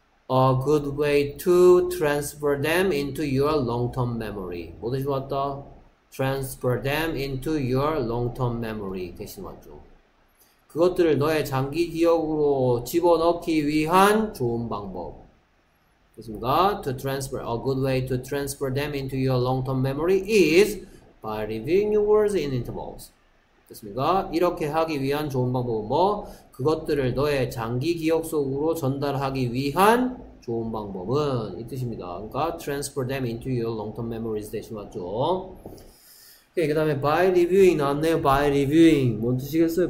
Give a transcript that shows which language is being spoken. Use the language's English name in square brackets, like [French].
[English] A good way to transfer them into your long-term memory. [Korean] 뭐 대신 왔다? [English] Transfer them into your long-term memory. [Korean] 대신 왔죠. 그것들을 너의 장기 기억으로 집어넣기 위한 좋은 방법. 됐습니까? [English] To transfer, a good way to transfer them into your long-term memory is by reviewing your words in intervals. [Korean] 됐습니까? 이렇게 하기 위한 좋은 방법은 뭐? 그것들을 너의 장기 기억 속으로 전달하기 위한 좋은 방법은 이 뜻입니다. 그러니까 [English] transfer them into your long-term memories [Korean] 대신 왔죠. 오케이, 그 다음에 by reviewing 나왔네요. by reviewing 뭔 뜻이겠어요?